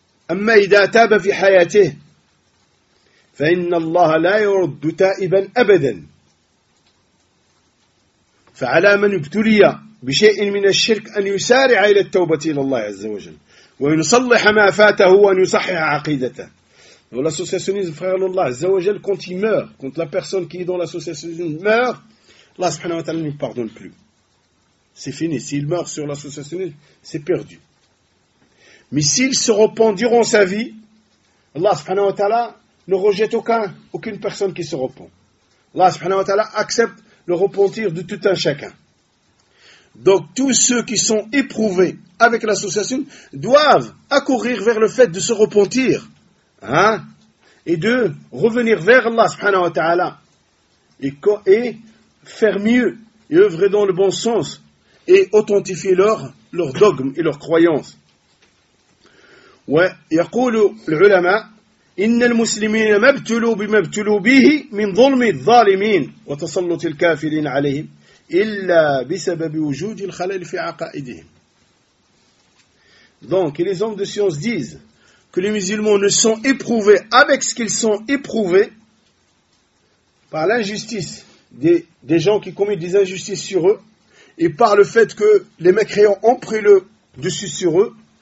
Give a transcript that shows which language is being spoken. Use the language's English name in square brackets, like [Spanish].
[Arabic] أما إذا تاب في حياته فإن الله لا يرد تائبا أبدا. فعلى من ابتلي بشيء من الشرك أن يسارع إلى التوبة إلى الله عز وجل وينصلح ما فاته وأن يصحح عقيدته. [French] Dans l'associationnisme, frère Allah, Azza wa Jal, quand il meurt, quand la personne qui est dans l'associationnisme meurt, Allah subhanahu wa ta'ala ne pardonne plus. C'est fini. S'il meurt sur l'associationnisme, c'est perdu. Mais s'il se repent durant sa vie, Allah subhanahu wa ta'ala ne rejette aucune personne qui se repent. Allah subhanahu wa ta'ala accepte le repentir de tout un chacun. Donc tous ceux qui sont éprouvés avec l'association doivent accourir vers le fait de se repentir, hein, et de revenir vers Allah subhanahu wa ta'ala et faire mieux et œuvrer dans le bon sens et authentifier leur dogme et leurs croyances. [Arabic] Ouais, يقول العلماء إن المسلمين ما ابتلوا بما ابتلوا به من ظلم الظالمين وتسلط الكافرين عليهم إلا بسبب وجود الخلل في عقائدهم. [French] Donc, les hommes de science disent que les musulmans ne sont éprouvés avec ce qu'ils sont éprouvés par l'injustice des gens qui commettent des injustices sur eux et par le fait que les mécréants ont pris le dessus sur eux.